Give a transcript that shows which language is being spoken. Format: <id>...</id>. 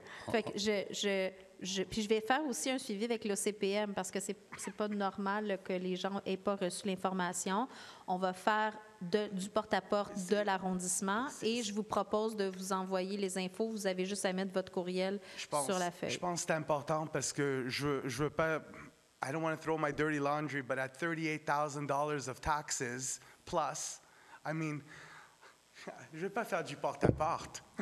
<fr>Fait que puis je vais faire aussi un suivi avec l'OCPM parce que c'est pas normal que les gens aient pas reçu l'information. On va faire du porte-à-porte de l'arrondissement et je vous propose de vous envoyer les infos. Vous avez juste à mettre votre courriel sur la feuille. Je pense que c'est important parce que je veux pas...</fr> <en>I don't want to throw my dirty laundry, but at $38,000 of taxes...</en> <fr>Plus,</fr> <en>I mean,</en> <fr>je ne vais pas faire du porte-à-porte.</fr>